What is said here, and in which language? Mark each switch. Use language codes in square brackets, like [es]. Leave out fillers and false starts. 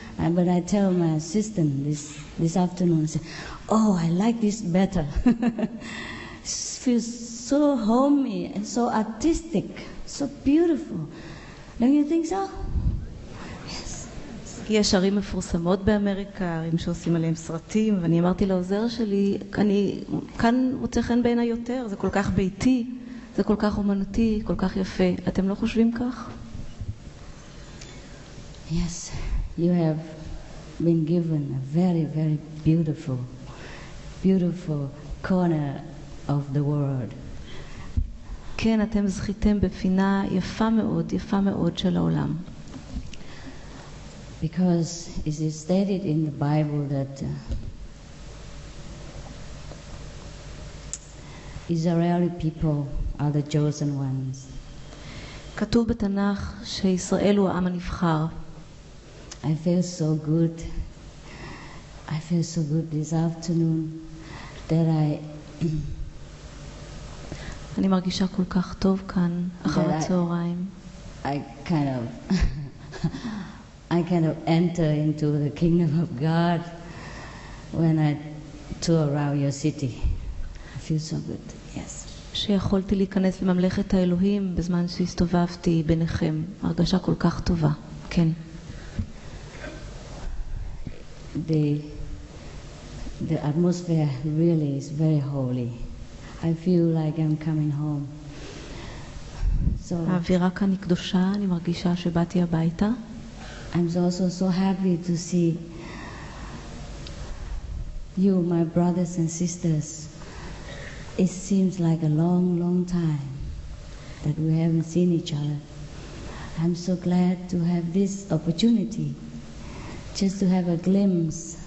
[en] And when I tell my assistant this afternoon, I say, oh, I like this better. It feels so homey and so artistic, so beautiful. Don't you think so? [he] יש ערים מפורסמות באמריקה, ערים שעושים עליהם סרטים, ואני אמרתי לעוזר שלי, אני כאן מוצא חן בעיני יותר, זה כל כך ביתי, זה כל כך אומנותי, כל כך יפה. אתם לא חושבים כך? [en] Yes, you have been given a very, very beautiful, beautiful corner of the world. [he] כן, אתם זכיתם בפינה יפה מאוד, יפה מאוד של העולם. [en] Because it is stated in the Bible that Israeli people are the chosen ones. [he] כתוב בתנ"ך שישראל הוא העם הנבחר. [en] I feel so good. I feel so good this afternoon that I. [he] אני מרגישה כל כך טוב כאן אחר הצהריים. [en] I kind of enter into the kingdom of God when I tour around your city. I feel so good. Yes. [he] שיכולתי להיכנס לממלכת האלוהים בזמן שהסתובבתי ביניכם. הרגשה כל כך טובה. כן. [en] The atmosphere really is very holy. I feel like I'm coming home. [he] So האווירה כאן היא קדושה, אני מרגישה שבאתי הביתה. [en] I'm also so happy to see you, my brothers and sisters. It seems like a long, long time that we haven't seen each other. I'm so glad to have this opportunity. Just to have a glimpse